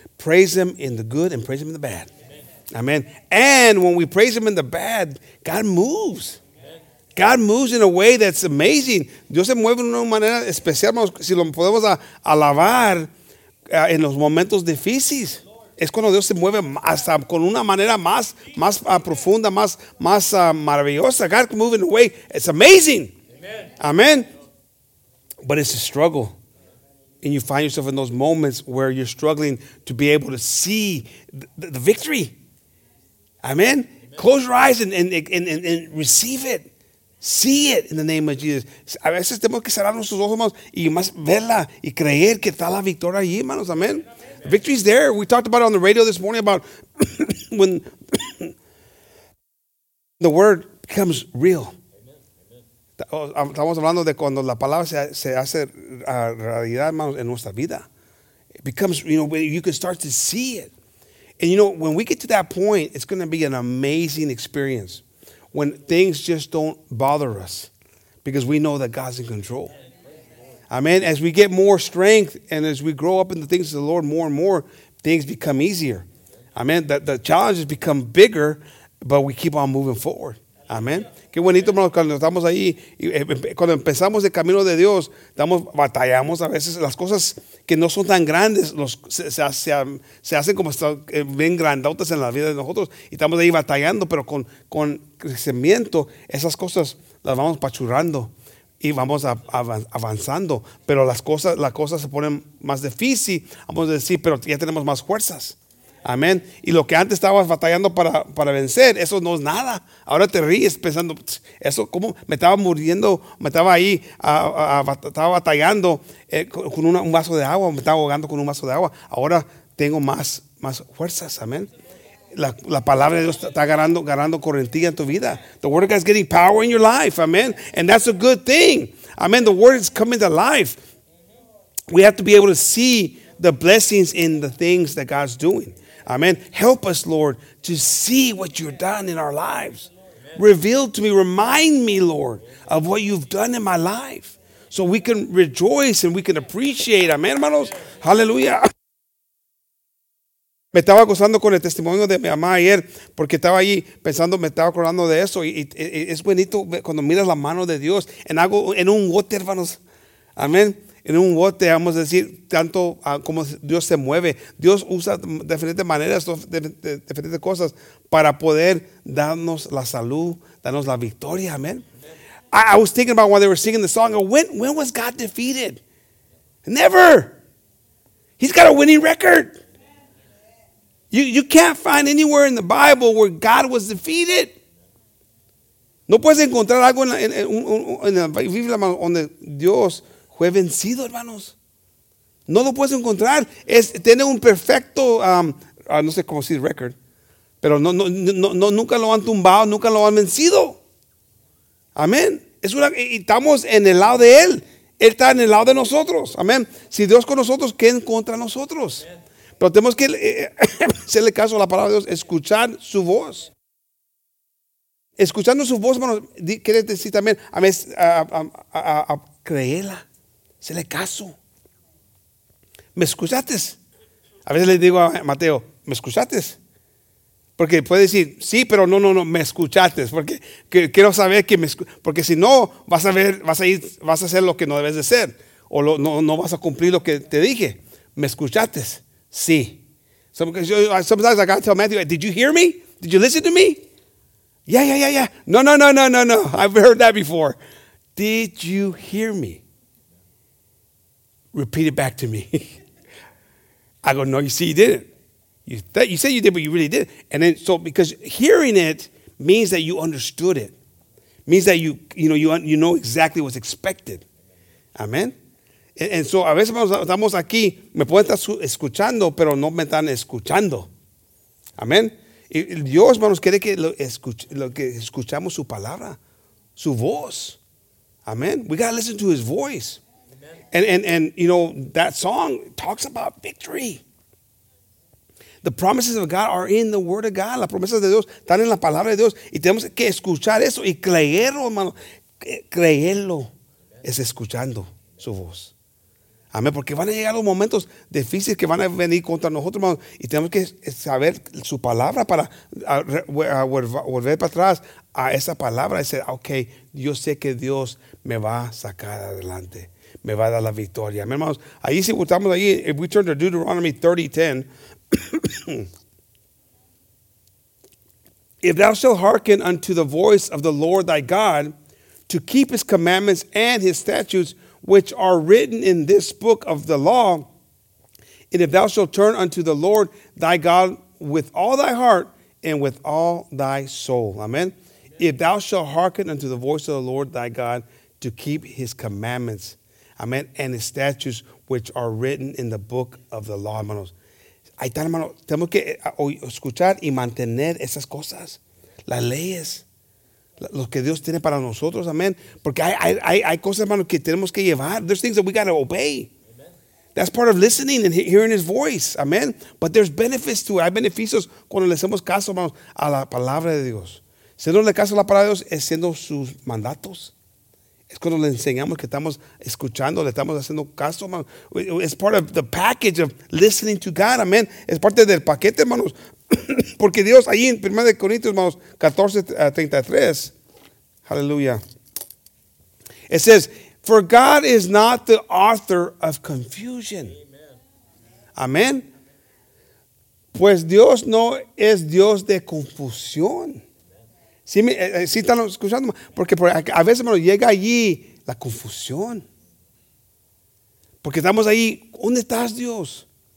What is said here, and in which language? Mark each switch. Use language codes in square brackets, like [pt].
[en] Praise him in the good and praise him in the bad. Amen. And when we praise him in the bad, God moves. God moves in a way that's amazing. [es] Dios se mueve de una manera especial, si lo podemos alabar en los momentos difíciles. Es cuando Dios se mueve hasta con una manera más profunda, más maravillosa. [en] God can move in a way. It's amazing. Amen. Amen. But it's a struggle. And you find yourself in those moments where you're struggling to be able to see the victory. Amen. Close your eyes and receive it. See it in the name of Jesus. [es] A veces tenemos que cerrar nuestros ojos, hermanos, y más verla y creer que está la victoria allí, hermanos. [en] Amen. The victory's there. We talked about it on the radio this morning about when the word becomes real. [es] Estamos hablando de cuando la palabra se hace realidad, hermanos, en nuestra vida. [en] It becomes, you know, when you can start to see it. And, you know, when we get to that point, it's going to be an amazing experience when things just don't bother us because we know that God's in control. Amen. As we get more strength and as we grow up in the things of the Lord more and more, things become easier. Amen. The challenges become bigger, but we keep on moving forward. Amen. [es] Qué bonito, hermanos, cuando estamos ahí, cuando empezamos el camino de Dios, batallamos a veces. Las cosas que no son tan grandes se hacen como bien grandotas en la vida de nosotros. Y estamos ahí batallando, pero con crecimiento, esas cosas las vamos pachurrando y vamos avanzando. Pero las cosas se ponen más difícil, vamos a decir, pero ya tenemos más fuerzas. Amén. Y lo que antes estabas batallando para vencer, eso no es nada. Ahora te ríes pensando, eso como me estaba muriendo, me estaba ahí, estaba batallando con un vaso de agua, me estaba ahogando con un vaso de agua. Ahora tengo más fuerzas. Amén. La palabra de Dios está ganando correntía en tu vida. [en] The word of God is getting power in your life. Amén. And that's a good thing. Amén. The word is coming to life. We have to be able to see the blessings in the things that God's doing. Amen. Help us, Lord, to see what you've done in our lives. Amen. Reveal to me, remind me, Lord, of what you've done in my life so we can rejoice and we can appreciate. [es] Amen, hermanos. Hallelujah. Me estaba gozando con el testimonio de mi mamá ayer porque estaba ahí pensando, me estaba acordando de eso. Y es bonito cuando miras la mano de Dios en algo, en un water, hermanos. Amen. En un bote, vamos a decir, tanto como Dios se mueve. Dios usa diferentes maneras, diferentes cosas para poder darnos la salud, darnos la victoria. Amen. [en] I was thinking about while they were singing the song, when was God defeated? Never. He's got a winning record. You can't find anywhere in the Bible where God was defeated. [es] No puedes encontrar algo en la Biblia donde Dios fue vencido, hermanos. No lo puedes encontrar. Es tiene un perfecto, no sé cómo decir record, pero no nunca lo han tumbado, nunca lo han vencido. Amén. Es una, y estamos en el lado de Él. Él está en el lado de nosotros. Amén. Si Dios con nosotros, ¿quién contra nosotros? Pero tenemos que hacerle caso a la palabra de Dios, escuchar su voz. Escuchando su voz, hermano, quiere decir también, a creerla, hacerle caso. ¿Me escuchaste? A veces le digo a Mateo, ¿me escuchaste? Porque puede decir, sí, pero no, me escuchaste. Porque quiero saber que me escuchaste. Porque si no, vas a hacer lo que no debes de hacer. O no vas a cumplir lo que te dije. ¿Me escuchaste? Sí. [en] Sometimes I got to tell Matthew, did you hear me? Did you listen to me? Yeah. No. I've heard that before. Did you hear me? Repeat it back to me. I go, no, you see, you didn't. You said you did, but you really did. And then, so because hearing it means that you understood it. Means that you know exactly what's expected. Amen. And so, [es] a veces estamos aquí, me pueden estar escuchando, pero no me están escuchando. Amén. Dios, hermanos, quiere que escuchamos su palabra, su voz. Amén. [en] We got to listen to his voice. Amen. And you know, that song talks about victory. The promises of God are in the word of God. [es] Las promesas de Dios están en la palabra de Dios. Y tenemos que escuchar eso y creerlo, hermano. Creerlo es escuchando su voz. Amén, porque van a llegar los momentos difíciles que van a venir contra nosotros, hermanos, y tenemos que saber su palabra para volver para atrás a esa palabra y decir, ok, yo sé que Dios me va a sacar adelante, me va a dar la victoria. Amén, hermanos, ahí si estamos ahí, [en] if we turn to Deuteronomy 30:10, if thou shalt hearken unto the voice of the Lord thy God to keep his commandments and his statutes, which are written in this book of the law, and if thou shalt turn unto the Lord thy God with all thy heart and with all thy soul. Amen. Amen. If thou shalt hearken unto the voice of the Lord thy God to keep his commandments. Amen. And his statutes which are written in the book of the law. [es] Hermanos. Ahí está, hermano. Tenemos que escuchar y mantener esas cosas. Las leyes. Lo que Dios tiene para nosotros, amén. Porque hay cosas, hermano, que tenemos que llevar. [en] There's things that we got to obey. Amen. That's part of listening and hearing his voice, amén. But there's benefits to it. [es] Hay beneficios cuando le hacemos caso, hermano, a la palabra de Dios. Haciéndole caso a la palabra de Dios es haciendo sus mandatos. Es cuando le enseñamos que estamos escuchando, le estamos haciendo caso, hermano. [en] It's part of the package of listening to God, amén. [es] Es parte del paquete, hermanos. Porque Dios, ahí en 1 Corintios, hermanos, 14:33, hallelujah. [en] It says, for God is not the author of confusion. [es] Amén. Pues Dios no es Dios de confusión. ¿Sí están escuchando? Porque a veces, hermano, llega allí la confusión. Porque estamos ahí, ¿dónde estás, Dios?